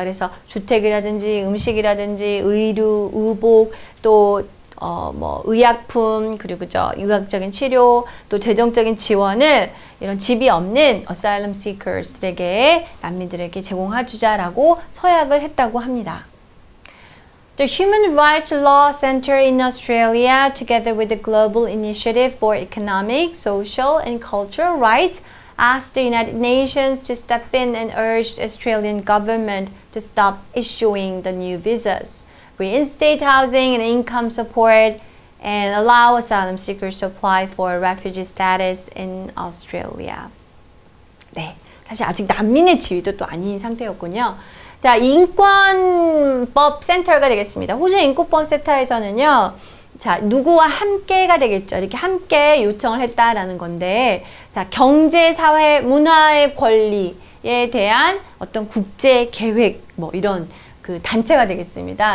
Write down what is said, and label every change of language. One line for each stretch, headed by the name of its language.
Korean: 그래서 주택이라든지 음식이라든지 의류, 의복, 또 뭐 의약품, 그리고 저 의학적인 치료, 또 재정적인 지원을 이런 집이 없는 asylum seekers들에게 난민들에게 제공해 주자라고 서약을 했다고 합니다.
English: The Human Rights Law Center in Australia, together with the Global Initiative for Economic, Social and Cultural Rights, asked the United Nations to step in and urged Australian government to stop issuing the new visas, reinstate housing and income support, and allow asylum seekers to apply for refugee status in Australia.
Korean: 네, 사실 아직 난민의 지위도 또 아닌 상태였군요. 자, 인권법 센터가 되겠습니다. 호주 인권법 센터에서는요, 자, 누구와 함께가 되겠죠. 이렇게 함께 요청을 했다라는 건데, 자, 경제, 사회, 문화의 권리에 대한 어떤 국제 계획, 뭐 이런 그 단체가 되겠습니다.